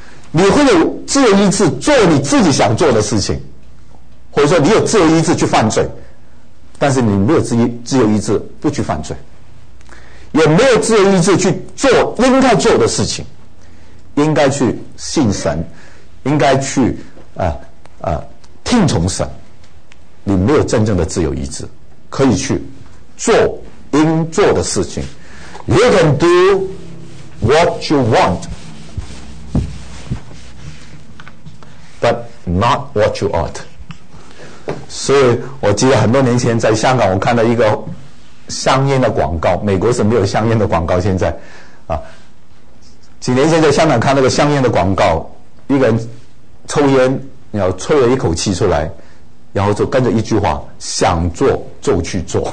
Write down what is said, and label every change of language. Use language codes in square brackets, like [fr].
[zh] 你会有自由意志做你自己想做的事情，或者说你有自由意志去犯罪，但是你没有自由意志不去犯罪，也没有自由意志去做应该做的事情，应该去信神，应该去听从神，你没有真正的自由意志可以去做应做的事情。 [en] You can do what you want but not what you ought。 [zh] 所以我记得很多年前在香港，我看到一个香烟的广告，美国是没有香烟的广告，现在几年前在香港看那个香烟的广告，一个人抽烟，然后吹了一口气出来，然后就跟着一句话，想做就去做。